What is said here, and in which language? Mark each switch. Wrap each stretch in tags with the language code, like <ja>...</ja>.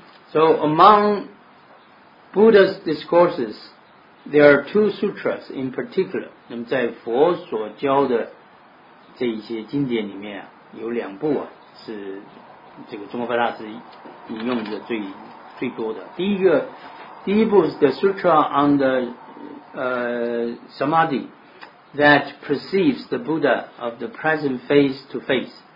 <en>So among Buddha's discourses, there are two sutras in particular.</en> <zh>那么在佛所教的这一些经典里面啊，有两部啊是这个中国佛大师引用的最多的。第一部是</zh> <en>the sutra on the samadhi that perceives the Buddha of the present face to face.</en>